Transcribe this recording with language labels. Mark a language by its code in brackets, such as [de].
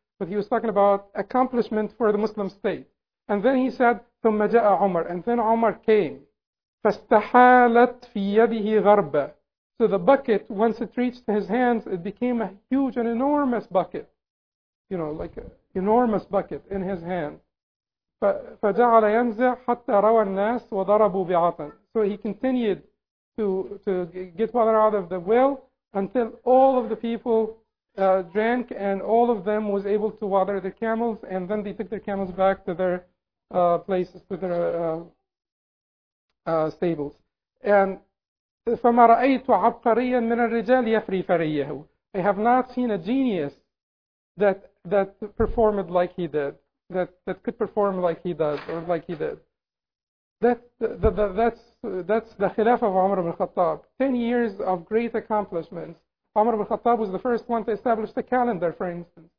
[en] But he was talking about accomplishment for the Muslim state. And then he said, ثم جاء عمر. And then Umar came. فاستحالت في يده غربة. So the bucket, once it reached his hands, it became a huge and enormous bucket. You know, like an enormous bucket in his hand. [ar] فجعل ينزع حتى روى الناس وضربوا بعطن. [en] So he continued to get water out of the well until all of the people drank, and all of them was able to water their camels, and then they took their camels back to their places, to their stables. [ar] And فما رأيت عبقريا من الرجال يفري فريه. [en] I have not seen a genius that performed like he did, that could perform like he does, or like he did. That's the khilaf of Umar ibn Khattab. 10 years of great accomplishments. Umar ibn Khattab was the first one to establish the calendar, for instance.